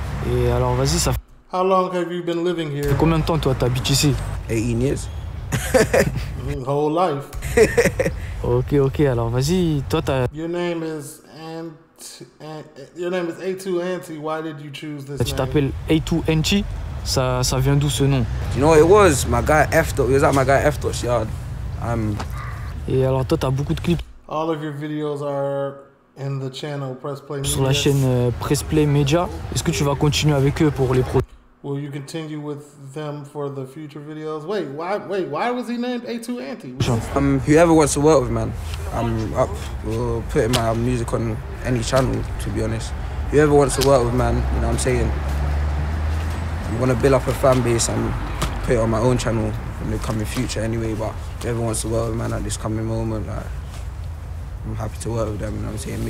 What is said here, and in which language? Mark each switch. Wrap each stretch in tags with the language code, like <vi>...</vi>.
<fr>Et alors, vas-y, ça.</fr> <en>How long have you been living here?</en> <fr>Fait combien de temps toi t'habites ici?</fr> <en>18 years. Whole life.</en> <fr>Ok, ok, alors vas-y, toi t'as...</fr> <en>Your name is A2anti, why did you choose this name?</en> <fr>Tu t'appelles A2anti, ça vient d'où ce nom?</fr> <en>You know, it was my guy F-Dot, it was at my guy F-Dot's yard.</en> <fr>Et alors toi t'as beaucoup de clips.</fr> <en>All of your videos are in the channel Press Play Media.</en> <fr>Sur la chaîne Press Play Media, est-ce que tu vas continuer avec eux pour les projets?</fr> <en>Will you continue with them for the future videos? Wait, why was he named A2anti? Whoever wants to work with man, I'm up. We'll put my music on any channel, to be honest. Whoever wants to work with man, you know what I'm saying? I'm gonna build up a fan base and put it on my own channel in the coming future anyway, but whoever wants to work with man at this coming moment, I'm happy to work with them, you know what I'm saying?</en>